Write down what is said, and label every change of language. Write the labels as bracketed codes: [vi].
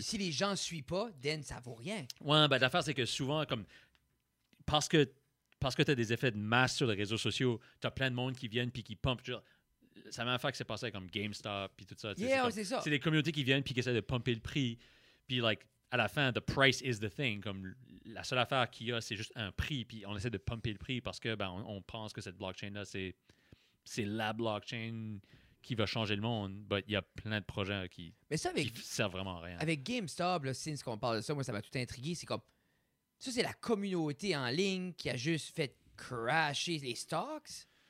[fr] Si les gens ne suivent pas, then ça ne vaut rien. Ouais, ben l'affaire, c'est que souvent, comme parce que tu as des effets de masse sur les réseaux sociaux, tu as plein de monde qui viennent puis qui pumpent. Ça m'a fait que c'est passé comme GameStop puis tout ça. C'est des communautés qui viennent puis qui essaient de pumper le prix. [en] Puis, like, [fr] à la fin, [en] the price is the thing. [fr] Comme la seule affaire qu'il y a, c'est juste un prix. Puis on essaie de pumper le prix parce que ben, on pense que cette blockchain-là, c'est la blockchain qui va changer le monde. Mais il y a plein de projets qui ne servent vraiment à rien. Avec GameStop, là, since qu'on parle de ça, moi, ça m'a tout intrigué. C'est comme, ça, c'est la communauté en ligne qui a juste fait crasher les stocks.